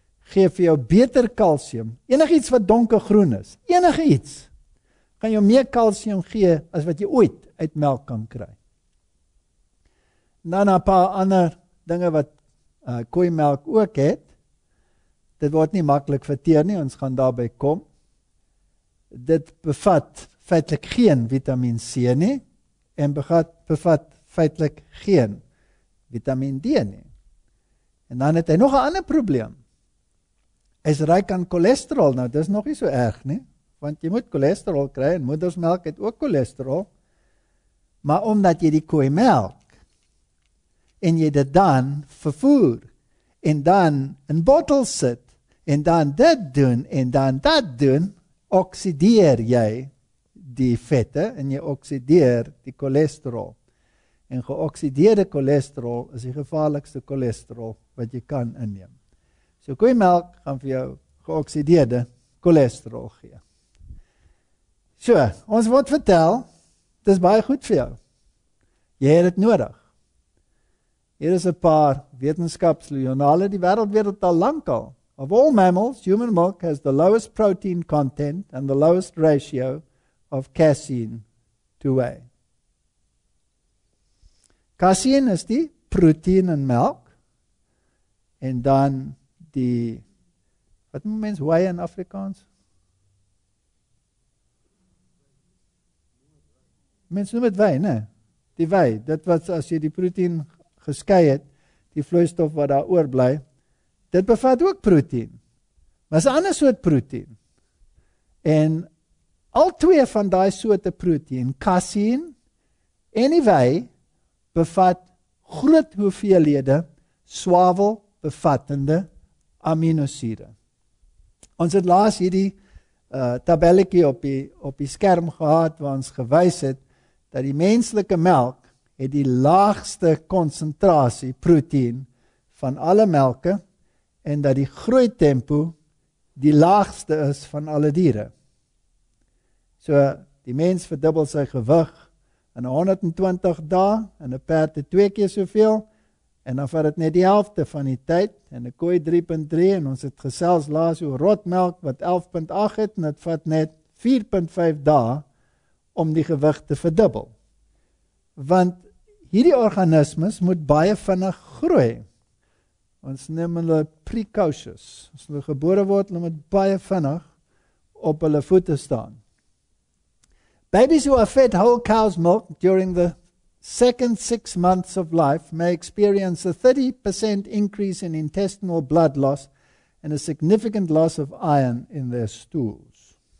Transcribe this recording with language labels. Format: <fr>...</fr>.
<af>Gee vir jou beter kalsium. Enigiets wat donkergroen is, enigiets gaan jou meer kalsium gee as wat jy ooit uit melk kan kry. Dan 'n paar ander dinge wat koeimelk ook het. Dit word nie maklik verteer nie, ons gaan daarby kom. Dit bevat feitlik geen vitamine C nie en bevat feitlik geen vitamine D nie. En dan het hy nog 'n ander probleem. Hy is ryk aan cholesterol, nou dis nog nie so erg nie, want jy moet cholesterol kry en moedersmelk het ook cholesterol, maar omdat jy die koeimelk en jy dit dan vervoer en dan in bottels sit en dan dit doen en dan dat doen, oksideer jy die vette en jy oksideer die cholesterol. En geoksideerde cholesterol is die gevaarlikste cholesterol wat jy kan inneem. So koeimelk gaan vir jou geoksideerde cholesterol gee. So, ons word vertel, dit is baie goed vir jou. Jy het dit nodig. Hier is 'n paar wetenskapsjoernale, die wêreld weet dit al lank al.</af> <en>Of all mammals, human milk has the lowest protein content and the lowest ratio of casein to whey.</en> <af>Casein is die proteïen in melk en dan die, wat noem mens whey in Afrikaans? mens noem dit wy, né? Die wy, dit wat as jy die proteïen geskei het, die vloeistof wat daar oorbly, dit bevat ook proteïen. Maar is 'n ander soort proteïen. En al twee van daai soorte proteïen, casein en die wy, bevat groot hoeveelhede swavel bevattende aminosure. Ons het laas hierdie tabelletjie op die skerm gehad waar ons gewys het dat die menslike melk het die laagste konsentrasie proteïen van alle melke en dat die groeitempo die laagste is van alle diere. So die mens verdubbel sy gewig in 120 dae en 'n perd het twee keer soveel en dan vat dit net die helfte van die tyd en 'n kooi 3.3 en ons het gesels laas oor rotmelk wat 11.8 het en dit vat net 4.5 dae om die gewig te verdubbel. Want hierdie organismes moet baie vinnig groei. Ons neem hulle precocious. As hulle gebore word, hulle moet baie vinnig op hulle voete staan.</af> <en>Babies who are fed whole cow's milk during the second 6 months of life may experience a 30% increase in intestinal blood loss and a significant loss of iron in their stools.</en>